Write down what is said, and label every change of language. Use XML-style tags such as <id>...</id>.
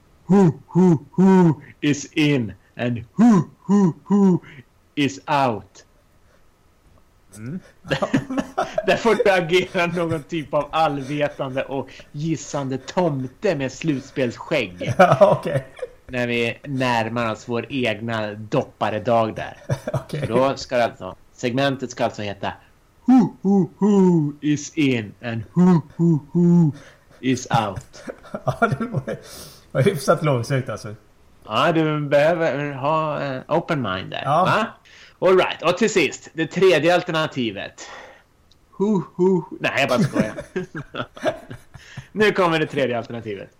<en>Okay. Who is in and who is out.</en> <sv>Där får du agera någon typ av allvetande och gissande tomte med slutspelsskägg. Ja, okej.</sv> <en>Okay.</en> <sv>När vi närmar oss vår egna doppare dag där. Okej.</sv> <en>Okay.</en> <sv>Då ska alltså segmentet ska alltså heta</sv> <en>who is in and who is out.</en> <sv>Ja, det var hyfsat långsökt alltså. Ja, du behöver ha</sv> <en>open mind</en> <sv>där. Ja. Va?</sv> <en>All right,</en> <sv>och till sist, det tredje alternativet. Nej, jag bara skojar. Nu kommer det tredje alternativet.</sv>